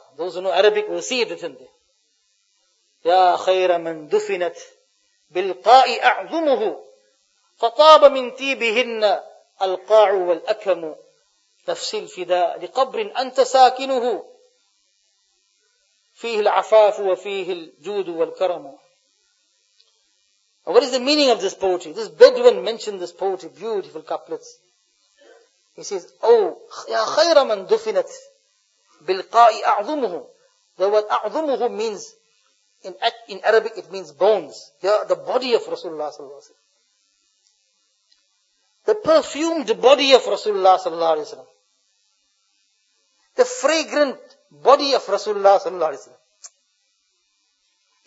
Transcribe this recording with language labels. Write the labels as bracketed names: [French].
[English] Those who know Arabic will see it written there. [Arabic] Ya khayra man dufinat bil qa'i a'zumuhu fataba min tibihinna al qa'u wal akamu نفسي الفداء لقبر أنت ساكنه فيه العفاف وفيه الجود والكرم. [English] What is the meaning of this poetry? This Bedouin mentioned this poetry, beautiful couplets. He says, Oh, [Arabic] يا خير من دفنت بالقاء أعظمه. [English] The word أعظمه means, in Arabic it means bones. The body of Rasulullah صلى الله عليه وسلم. The perfumed body of Rasulullah صلى الله عليه وسلم. The fragrant body of Rasulullah sallallahu alayhi wa sallam.